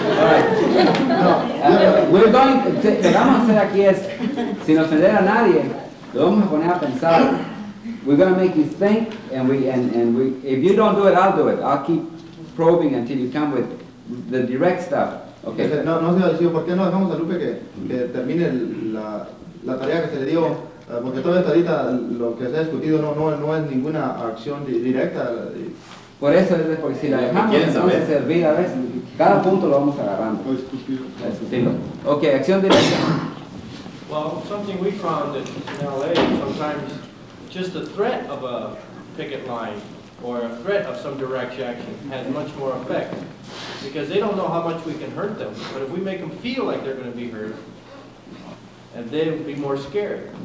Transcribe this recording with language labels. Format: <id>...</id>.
<es>Lo que vamos a hacer aquí es, sin ofender a nadie, lo vamos a poner a pensar.</es> <en>We're going to make you think, and we, if you don't do it, I'll do it. I'll keep probing until you come with the direct stuff. Okay.</en> <es>No, señor, ¿por qué no dejamos a Lupe que termine la tarea que se le dio? Porque todavía ahorita lo que se ha discutido no es ninguna acción directa. Por eso es, porque si la dejamos, no se servirá, a veces cada punto lo vamos agarrando. Discutido. Ok, acción directa.</es> <en>Well, something we found in LA sometimes, just the threat of a picket line or a threat of some direct action has much more effect, because they don't know how much we can hurt them. But if we make them feel like they're going to be hurt, and they'll be more scared.</en>